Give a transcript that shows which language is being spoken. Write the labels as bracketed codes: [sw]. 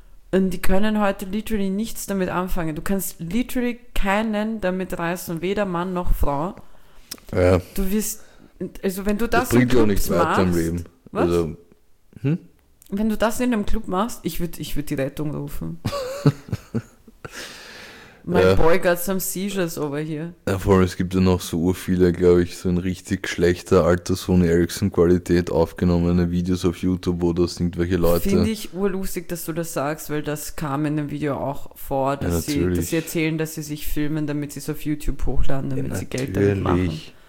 [de] Und die können heute literally nichts damit anfangen. Du kannst literally keinen damit reißen, weder Mann noch Frau. Ja. Du wirst, also wenn du das bringt auch nichts machst, weiter im Leben. Was? Also, wenn du das in einem Club machst, ich würd die Rettung rufen. [en] My boy got some seizures over here. [de] Ja, vor allem, es gibt ja noch so urviele, glaube ich, so in richtig schlechter alter Sony Ericsson-Qualität aufgenommene Videos auf YouTube, wo das irgendwelche Leute... Finde ich urlustig, dass du das sagst, weil das kam in dem Video auch vor, dass sie erzählen, dass sie sich filmen, damit sie es auf YouTube hochladen, damit sie Geld damit machen.